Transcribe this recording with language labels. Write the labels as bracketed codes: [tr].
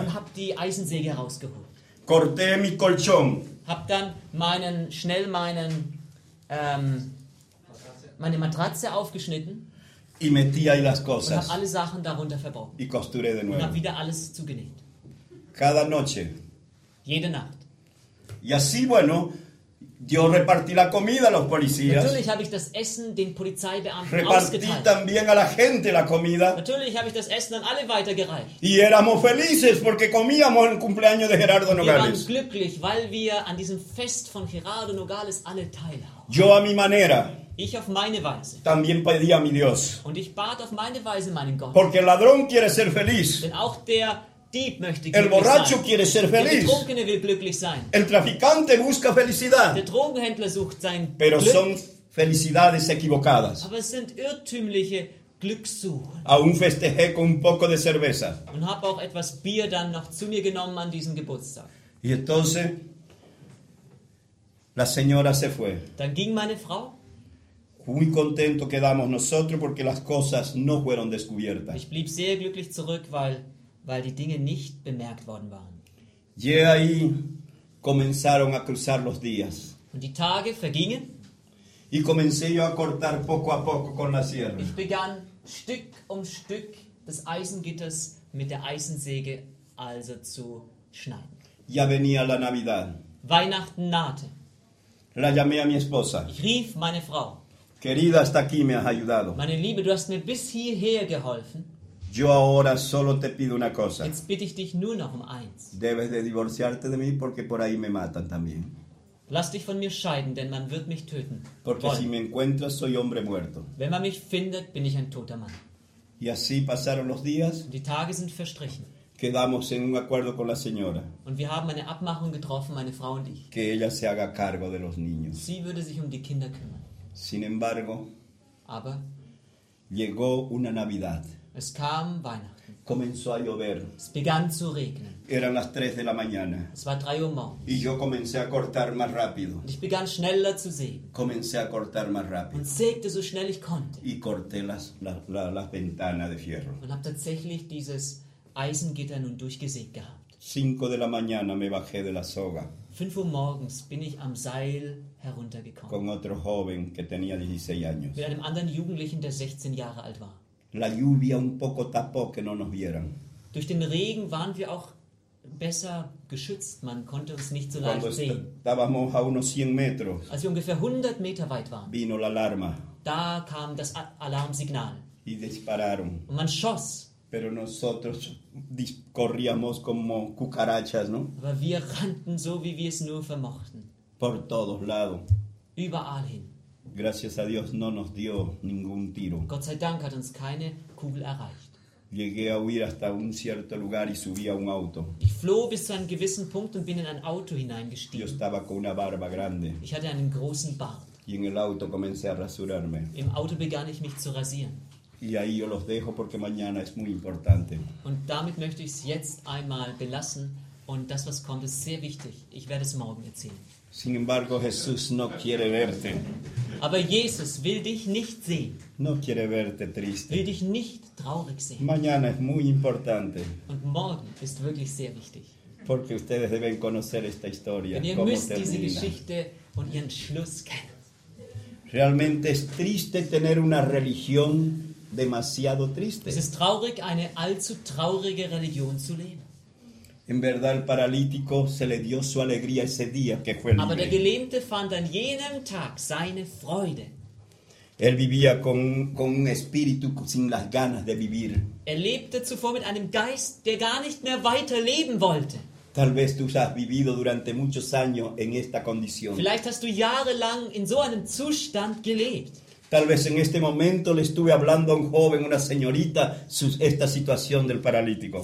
[de] Und hab die Eisensäge herausgeholt. [es] Corté mi colchón. [de] Hab dann meine Matratze aufgeschnitten. [es] Y metí ahí las cosas. [de] Und habe alle Sachen darunter verborgen. [es] Y costuré de nuevo. [de] Und habe wieder alles zugenäht. [es] Cada noche. [de] Jede Nacht. [es] Y así, bueno, yo repartí la comida a los policías. [de] Natürlich habe ich das Essen den Polizeibeamten [es] repartí [de] ausgeteilt. [es] Repartí también a la gente la comida. [de] Natürlich habe ich das Essen an alle weitergereicht. [es] Y éramos felices porque comíamos el cumpleaños de Gerardo Nogales. [de] Wir waren glücklich, weil wir an diesem Fest von Gerardo Nogales alle teilhaben. [es] Yo a mi manera. [de] Ich auf meine Weise. [es] También pedí a mi Dios. [de] Und ich bat auf meine Weise meinen Gott. [es] Porque el ladrón quiere ser feliz. [de] Denn auch der Dieb möchte [es] el borracho [de] sein. [es] Quiere ser feliz. [de] Der Betrunkene will glücklich sein. [es] El traficante busca felicidad. [de] Der Drogenhändler sucht sein [es] Pero [de] Glück. [es] Son felicidades equivocadas. [de] Aber es sind irrtümliche Glückssuchen. [es] Aún festejé con un poco de cerveza. [de] Und habe auch etwas Bier dann noch zu mir genommen an diesem Geburtstag. [es] Y entonces, la señora se fue. [de] Dann ging meine Frau. [es] Muy contento quedamos nosotros porque las cosas no fueron descubiertas. [de] Ich blieb sehr glücklich zurück, weil die Dinge nicht bemerkt worden waren. [es] Y ahí comenzaron a cruzar los días. [de] Und die Tage vergingen. [es] Y comencé yo a cortar poco a poco con la sierra. [de] Ich begann Stück um Stück des Eisengitters mit der Eisensäge also zu schneiden. [es] Ya venía la Navidad. [de] Weihnachten nahte. [es] La llamé a mi esposa. [de] Ich rief meine Frau. [es] Querida, hasta aquí me has ayudado. [de] Meine Liebe, du hast mir bis hierher geholfen. [es] Yo ahora solo te pido una cosa. [de] Jetzt bitte ich dich nur noch um eins. [es] Debes de divorciarte de mí porque por ahí me matan también. [de] Lass dich von mir scheiden, denn man wird mich töten. [es] Porque si me encuentras, soy hombre muerto. [de] Wenn man mich findet, bin ich ein toter Mann. [es] Y así pasaron los días. [de] Und die Tage sind verstrichen. [es] Quedamos en un acuerdo con la señora. [de] Und wir haben eine Abmachung getroffen, meine Frau und ich. [es] Que ella se haga cargo de los niños. [de] Sie würde sich um die Kinder kümmern. [es] Sin embargo, [de] aber [es] llegó una Navidad. [de] Es kam Weihnachten. [es] Comenzó a llover. [de] Es begann zu regnen. [es] Eran las 3 de la mañana. [de] Es war 3 Uhr morgens. [es] Y yo comencé a cortar más rápido. [de] Und ich begann schneller zu sägen. [es] Comencé a cortar más rápido. [de] Und sägte so schnell ich konnte. [es] Y corté las ventanas de fierro. [de] Und habe tatsächlich dieses Eisengitter nun durchgesägt gehabt. [es] 5 de la mañana me bajé de la soga. [de] 5 Uhr morgens bin ich am Seil heruntergekommen. [es] Con otro joven que tenía 16 años. [de] Mit einem anderen Jugendlichen, der 16 Jahre alt war. [es] La lluvia un poco tapó que no nos vieran. [de] Durch den Regen waren wir auch besser geschützt. Man konnte uns nicht so leicht [es] cuando [de] sehen. [es] Estábamos a unos 100 metros, [de] als wir ungefähr 100 Meter weit waren, [es] vino la alarma. [de] Da kam das Alarmsignal. [es] Y dispararon. [de] Und man schoss. [es] Pero nosotros corríamos como cucarachas, ¿no? [de] Aber wir rannten so, wie wir es nur vermochten. [es] Por todos lados. [de] Überall hin. [es] Gracias a Dios no nos dio ningún tiro. [de] Gott sei Dank hat uns keine Kugel erreicht. [es] Llegué a huir hasta un cierto lugar y subí a un auto. [de] Ich floh bis zu einem gewissen Punkt und bin in ein Auto hineingestiegen. [es] Yo estaba con una barba grande. [de] Ich hatte einen großen Bart. [es] Y en el auto comencé a rasurarme. [de] Im Auto begann ich mich zu rasieren. [es] Y ahí yo los dejo porque mañana es muy importante. [de] Und damit möchte ich es jetzt einmal belassen. Und das, was kommt, ist sehr wichtig. Ich werde es morgen erzählen. [es] Sin embargo, Jesús no quiere verte. [de] Aber Jesus will dich nicht sehen. [es] No quiere verte triste. [de] Will dich nicht traurig sehen. [es] Mañana es muy importante. [de] Und morgen ist wirklich sehr wichtig. [es] Porque ustedes deben conocer esta historia. [de] Denn ihr müsst diese Geschichte und ihren Schluss kennen. [es] Realmente es triste tener una religión demasiado triste. [de] Es ist traurig, eine allzu traurige Religion zu leben. [es] En verdad, el paralítico se le dio su alegría ese día que fue libre. [de] Aber der Gelähmte fand an jenem Tag seine Freude. [es] Él vivía con un espíritu sin las ganas de vivir. [de] Er lebte zuvor mit einem Geist, der gar nicht mehr weiterleben wollte. [es] Tal vez tú has vivido durante muchos años en esta condición. [de] Vielleicht hast du jahrelang in so einem Zustand gelebt. [es] Tal vez en este momento le estuve hablando a un joven, una señorita, esta situación del paralítico.